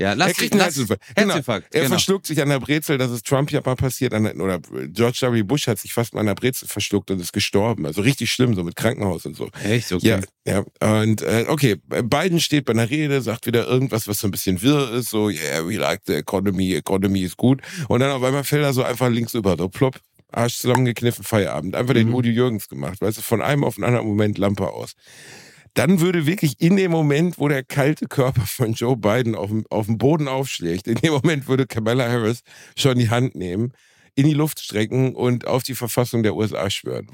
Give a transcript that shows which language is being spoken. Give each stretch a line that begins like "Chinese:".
German: Ja, lass er kriegt einen Herzinfarkt. Genau. Er verschluckt sich an der Brezel, das ist Trump ja mal passiert. Oder George W. Bush hat sich fast mal an der Brezel verschluckt und ist gestorben. Also richtig schlimm, so mit Krankenhaus und so. Echt? Okay. Ja, ja. Und okay, Biden steht bei einer Rede, sagt wieder irgendwas, was so ein bisschen wirr ist.
English: So, yeah, we like the economy, economy is good.
German: Und dann auf einmal fällt er so einfach links über, so plopp. Arsch zusammengekniffen, Feierabend. Einfach den Udo Jürgens gemacht. Weißt du, von einem auf einen anderen Moment Lampe aus. Dann würde wirklich in dem Moment, wo der kalte Körper von Joe Biden auf dem Boden aufschlägt, in dem Moment würde Kamala Harris schon die Hand nehmen, in die Luft strecken und auf die Verfassung der USA schwören.